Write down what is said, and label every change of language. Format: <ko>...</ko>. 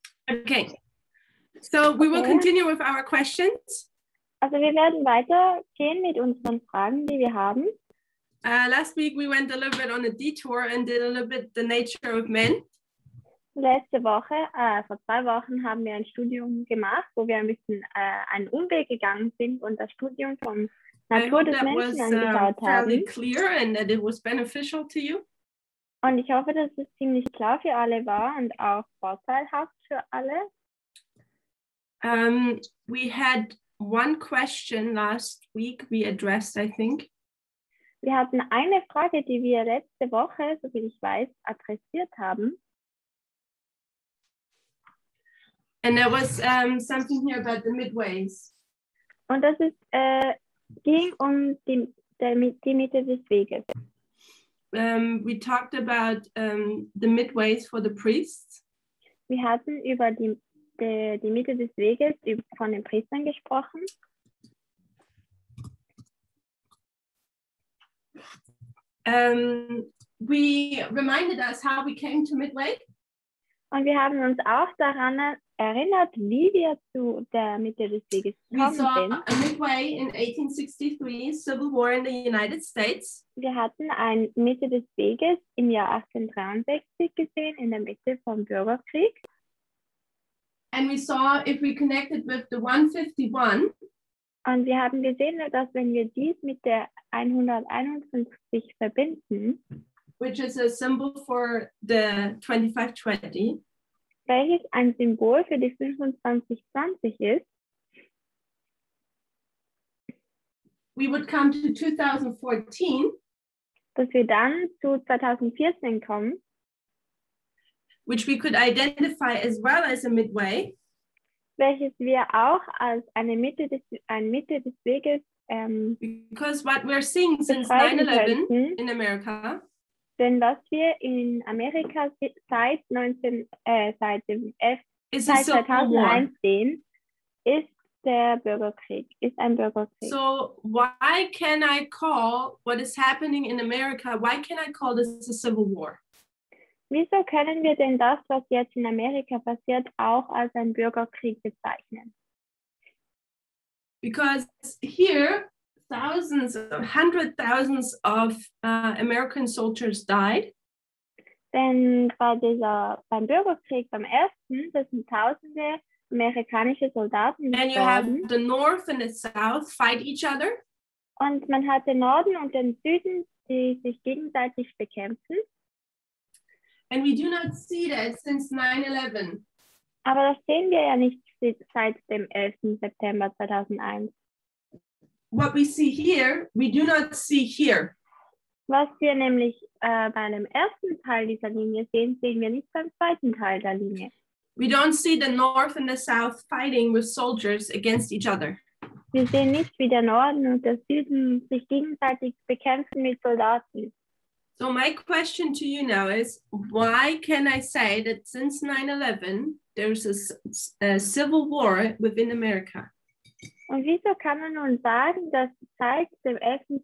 <en>Okay, so we will continue with our questions.</en> <de>Also, wir werden weitergehen mit unseren Fragen, die wir haben.</de> <en>Last week we went a little bit on a detour and did a little bit the nature of men.</en> <de>Letzte Woche, vor zwei Wochen, haben wir ein Studium gemacht, wo wir ein bisschen einen Umweg gegangen sind und das Studium vom Natur des Menschen angeschaut haben.</de> <en>That was fairly clear and that it was beneficial to you.</en> <de>Und ich hoffe, dass es ziemlich klar für alle war und auch vorteilhaft für alle.</de> <en>We had one question last week we addressed, I think.</en> <de>Wir hatten eine Frage, die wir letzte Woche, so wie ich weiß, adressiert haben.</de> <en>And there was something here about the midways.</en> <de>Und das ist, ging um die Mitte des Weges.</de> <en>We talked about the midways for the priests.</en> <de>Wir hatten über die Mitte des Weges von den Priestern gesprochen.</de> <en>We reminded us how we came to midway.</en> <de>Und wir haben uns auch daran erinnert, wie wir zu der Mitte des Weges gekommen sind.</de> <en>We saw a midway in 1863, Civil War in the United States.</en> <de>Wir hatten ein Mitte des Weges im Jahr 1863 gesehen, in der Mitte vom Bürgerkrieg.</de> <en>And we saw if we connected with the 151.</en> <de>Und wir haben gesehen, dass wenn wir dies mit der 151 verbinden,</de> <en>which is a symbol for the 2520.</en> <de>Welches ein Symbol für die 2520 ist.</de> <en>We would come to 2014.</en> <de>Dass wir dann zu 2014 kommen.</de> <en>Which we could identify as well as a midway.</en> <de>Welches wir auch als eine Mitte des, ein Mitte des Weges</de> <en>because what we're seeing since 9/11 in America.</en> <de>Denn was wir in Amerika seit, 2001 sehen, ist der Bürgerkrieg, ist ein Bürgerkrieg.</de> <en>So why can I call what is happening in America, why can I call this a civil war?</en> <de>Wieso können wir denn das, was jetzt in Amerika passiert, auch als einen Bürgerkrieg bezeichnen?</de> <en>Because here thousands, hundreds of thousands of American soldiers died.</en> <de>Denn bei dieser, beim Bürgerkrieg, beim ersten, das sind tausende amerikanische Soldaten gestorben.</de> <en>And you have the North and the South fight each other.</en> <de>Und man hat den Norden und den Süden, die sich gegenseitig bekämpfen.</de> <en>And we do not see that since 9/11.</en> <de>Aber das sehen wir ja nicht seit dem 11. September 2001.</de> <en>What we see here, we do not see here.</en> <de>Was wir nämlich bei dem ersten Teil dieser Linie sehen, sehen wir nicht beim zweiten Teil der Linie.</de> <en>We don't see the North and the South fighting with soldiers against each other.</en> <de>Wir sehen nicht, wie der Norden und der Süden sich gegenseitig bekämpfen mit Soldaten.</de> <en>So my question to you now is, why can I say that since 9/11 there's a civil war within America?</en> <de>Und wieso kann man nun sagen, dass seit dem 11.</de>